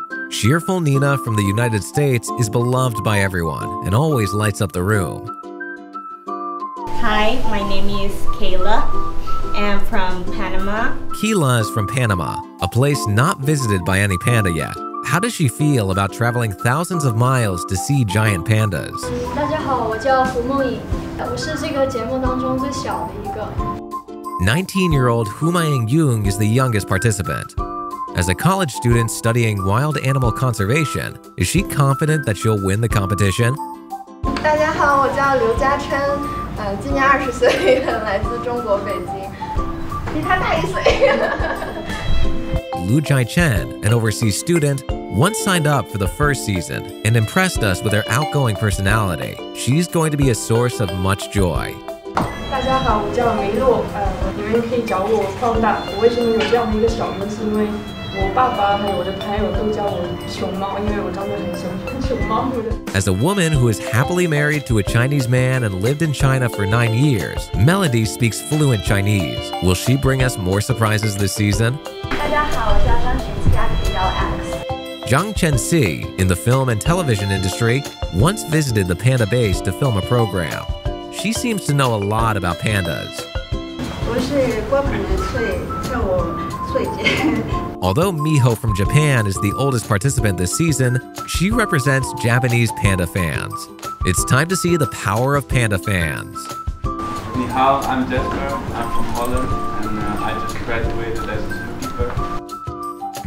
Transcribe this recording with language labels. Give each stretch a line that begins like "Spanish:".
English: Cheerful Nina from the United States is beloved by everyone and always lights up the room. Hi, my name is Kayla. I'm from Panama. Kayla is from Panama, a place not visited by any panda yet. How does she feel about traveling thousands of miles to see giant pandas?
Chinese: 大家好，我叫胡梦颖，我是这个节目当中最小的一个。
English: 19-year-old Hu Maiying Yung is the youngest participant. As a college student studying wild animal conservation, is she confident that she'll win the competition?
Chinese: 大家好，我叫刘嘉琛，今年20岁，来自中国北京，比他大1岁。
English: Lu Jai Chen, an overseas student, once signed up for the first season and impressed us with her outgoing personality. She's going to be a source of much joy.
Chinese: 大家好，我叫梅洛，你们可以叫我胖大。我为什么有这样的一个小名？是因为我爸爸还有我的朋友都叫我熊猫，因为我长得很像熊猫。
English: As a woman who is happily married to a Chinese man and lived in China for 9 years, Melody speaks fluent Chinese. Will she bring us more surprises this season?
Chinese: 大家好，我叫张晨曦，可以叫 X。
English: Zhang Chenxi, in the film and television industry, once visited the Panda Base to film a program. She seems to know a lot about pandas.
Chinese: 我是光盘的翠，叫我翠姐。
English: Although Miho from Japan is the oldest participant this season, she represents Japanese panda fans. It's time to see the power of panda fans.
Chinese: Ni hao,
English: I'm Jasper. I'm from Holland, and I just graduated as a zookeeper.